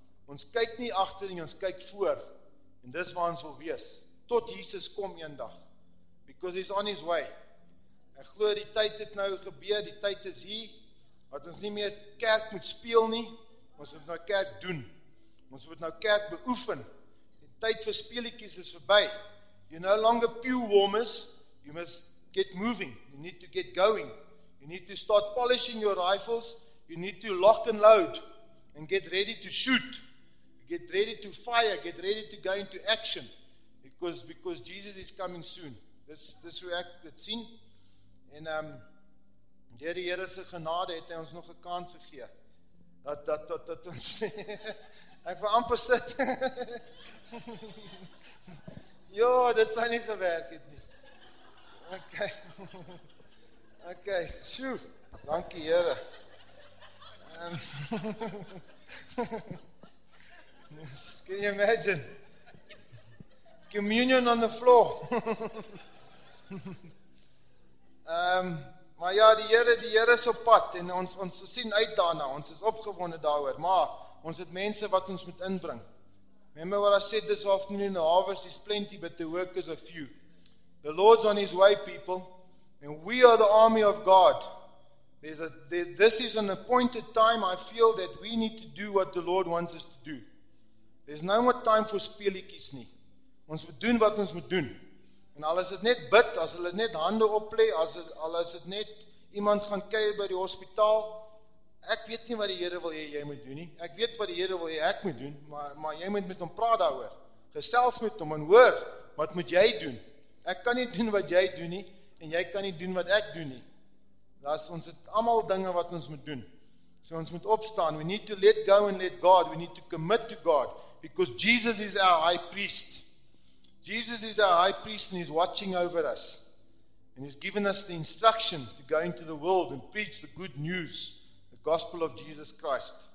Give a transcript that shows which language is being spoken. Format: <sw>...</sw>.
<af>Ons kyk nie agter nie, ons kyk voor. En dis waar ons wil wees. Tot Jesus kom eendag.</af> <en>Because he's on his way.</en> <af>Ek glo die tyd het nou gebeur, die tyd is hier. Wat ons nie meer kerk moet speel nie. Ons moet nou kerk doen. Ons moet nou kerk beoefen. Die tyd vir speelietjies is verby.</af> <en>You're no longer pew warmers. You must get moving. You need to get going. You need to start polishing your rifles. You need to lock and load. And get ready to shoot. Get ready to fire. Get ready to go into action. Because Jesus is coming soon. This react that sien.</en> <af>En deur die Here se genade het hy ons nog 'n kans gegee. Dat ons ek wil amper sit. Jo, dit sal nie gewerk het nie. Okay. Okay, sjoe. Dankie Here.</af> <en>Can you imagine? Communion on the floor.</en> <af>maar ja, die Here is op pad en ons sien uit daarna. Ons is opgewonde daaroor, maar Ons het mense wat ons moet inbring.</af> <en>Remember what I said this afternoon in the harvest is plenty, but the workers are few. The Lord's on his way, people, and we are the army of God. This is an appointed time, I feel, that we need to do what the Lord wants us to do. There's no more time for</en> <af>speelietjies nie. Ons moet doen wat ons moet doen. En al is het net bid, as hulle net hande oplê, al is het net iemand gaan kuier by die hospitaal, ek weet nie wat die Here wil hê jy moet doen nie. Ek weet wat die Here wil hê ek moet doen, maar jy moet met hom praat daaroor. Gesels met hom en hoor, wat moet jy doen? Ek kan nie doen wat jy doen nie, en jy kan nie doen wat ek doen nie. Ons het allemaal dinge wat ons moet doen. So ons moet opstaan.</af> <en>We need to let go and let God. We need to commit to God. Because Jesus is our high priest. Jesus is our high priest and he's watching over us. And he's given us the instruction to go into the world and preach the good news, the gospel of Jesus Christ.</en>